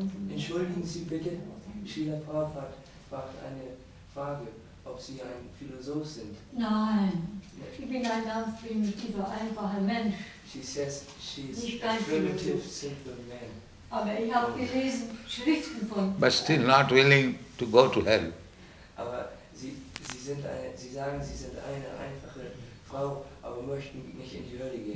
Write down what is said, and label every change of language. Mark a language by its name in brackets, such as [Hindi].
[German] Entschuldigen Sie bitte, Srila Prabhupada fragt eine Frage, ob Sie ein Philosoph sind. Nein, ich bin ein ganz primitiver, einfacher Mensch. [English] She says she is a primitive, simple man. [German] Aber ich habe gelesen Schriften von... [English] But still not willing to go to hell. [German] Aber Sie sagen, Sie sind eine einfache Frau, aber möchten nicht in die Hölle gehen.